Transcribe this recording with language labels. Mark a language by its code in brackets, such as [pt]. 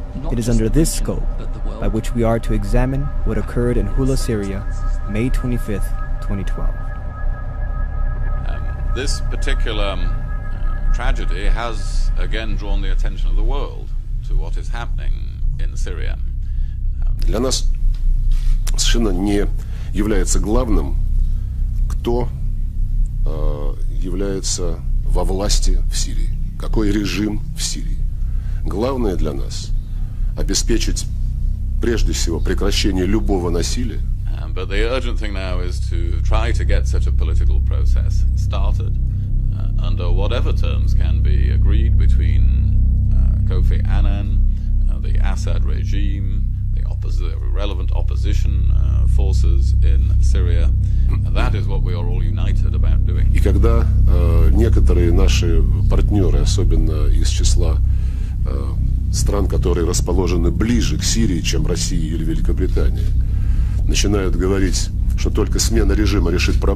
[ru] It is under this scope by which we are to examine what occurred in Hula, Syria, May 25th, 2012. This particular tragedy has again drawn the attention of the world to what is happening in Syria. Для нас совершенно не является главным, кто является во власти в Сирии, какой режим в Сирии. Главное для нас обеспечить прежде всего прекращение любого насилия. [en] But the urgent thing now is to try to get such a political process started under whatever terms can be agreed between Kofi Annan, the Assad regime, the relevant opposition forces in Syria. That is what we are all united about doing. [ru] И когда некоторые наши партнеры, особенно из числа стран, которые расположены ближе к Сирии, чем Россия или Великобритания, начинают говорить, что только смена режима решит проблему.